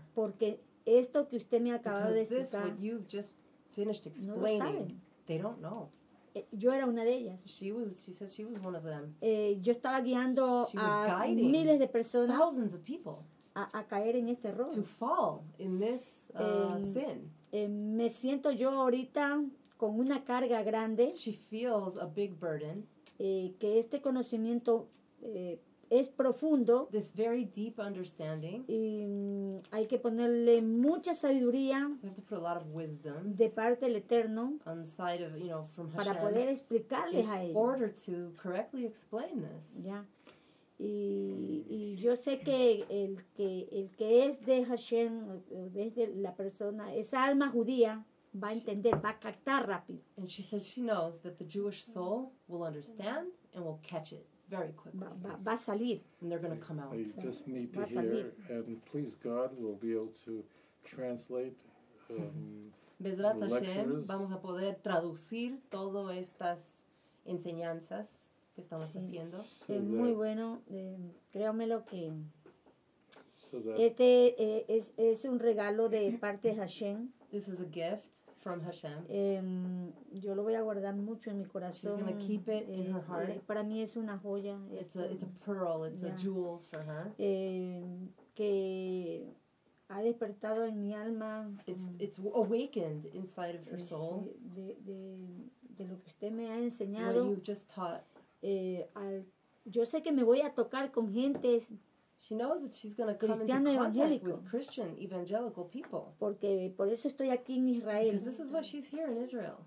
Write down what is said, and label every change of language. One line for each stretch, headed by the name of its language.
Spanish: Porque esto que usted me acaba de explicar,
English: because this, what you've just finished explaining, they don't know.
Spanish: Yo era una de ellas.
English: She said she was one of them.
Spanish: Yo estaba guiando a miles de personas,
English: thousands of people,
Spanish: a caer en este error.
English: To fall in this sin.
Spanish: Me siento yo ahorita con una carga grande.
English: She feels a big burden.
Spanish: Que este conocimiento es profundo.
English: This very deep understanding.
Spanish: Y hay que ponerle mucha sabiduría.
English: We have to put a lot of wisdom.
Spanish: De parte del Eterno.
English: On the side of, you know, from Hashem.
Spanish: Para poder explicarles a ellos.
English: In order to correctly explain this. Yeah.
Spanish: Y yo sé que el que es de Hashem, es de la persona, esa alma judía, va a entender, va a captar rápido.
English: And she says she knows that the Jewish soul will understand and will catch it. Very quickly.
Spanish: Va a salir.
English: And they're going to come out. They just need to hear. And please, God, we'll be able to translate.
Hebrew: Bezrat Hashem,
Spanish: vamos a poder traducir todas estas enseñanzas que estamos haciendo. Es muy bueno. Créamelo que este es un regalo de parte de Hashem.
English: This is a gift from Hashem.
Spanish: Yo lo voy a guardar mucho en mi corazón.
English: She's going to keep it in her heart.
Spanish: Para mí es una joya.
English: It's a pearl. It's a jewel for her.
Spanish: Que ha despertado en mi alma.
English: It's awakened inside of her soul.
Spanish: De lo que usted me ha enseñado.
English: What you've just taught.
Spanish: Yo sé que me voy a tocar con gentes.
English: She knows that she's going to come into contact evangelical. With Christian evangelical people.
Spanish: Porque por eso estoy aquí en Israel.
English: Because this is why she's here in Israel.